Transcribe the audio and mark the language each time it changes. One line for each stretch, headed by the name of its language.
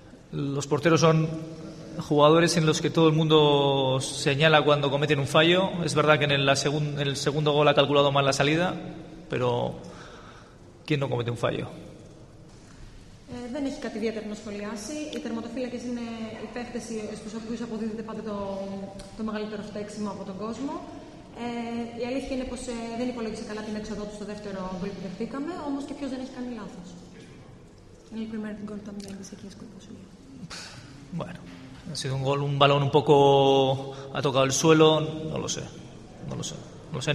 Spanish: Los porteros son jugadores en los que todo el mundo señala cuando cometen un fallo. Es verdad que en el segundo gol ha calculado mal la salida, pero ¿quién no comete un fallo?
Greek: Δεν έχει κάτι ιδιαίτερο να σχολιάσει. Οι τερματοφύλακες είναι οι παίχτες στους οποίους αποδίδεται πάντα το μεγαλύτερο φταίξιμο από τον κόσμο. Η αλήθεια είναι πως δεν υπολόγισε καλά την έξοδό του στο δεύτερο γκολ που δεχτήκαμε, όμως και ποιος δεν έχει κάνει λάθος. Είναι η πρώτη γκολ που ήταν μια εκεί σκοπός.
Spanish: Bueno, ha sido un gol, un balón un poco ha tocado el suelo, no lo sé. No lo sé.